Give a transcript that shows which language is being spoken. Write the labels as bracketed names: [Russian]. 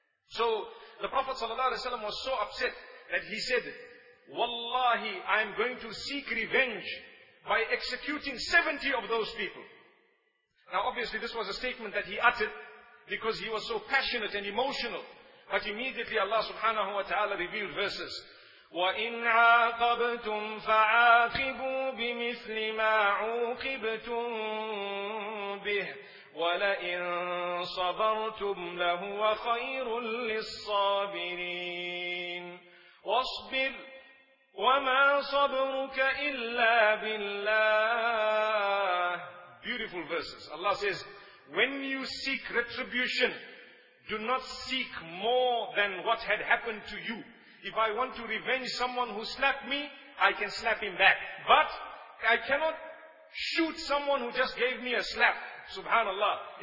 [English] So the Prophet sallallahu alaihi wasallam was so upset that he said, Wallahi, I am going to seek revenge by executing 70 of those people. Now obviously this was a statement that he uttered because he was so passionate and emotional. But immediately Allah subhanahu wa ta'ala revealed verses. [Arabic] وإن عاقبتم فعاقبوا بمثل ما عوقبتم به ولئن صبرتم لهو خير للصابرين واصبر وما صبرك إلا بالله. [English] Beautiful verses. Allah says, when you seek retribution, do not seek more than what had happened to you. If I want to revenge someone who slapped me, I can slap him back. But I cannot shoot someone who just gave me a slap. Subhanallah.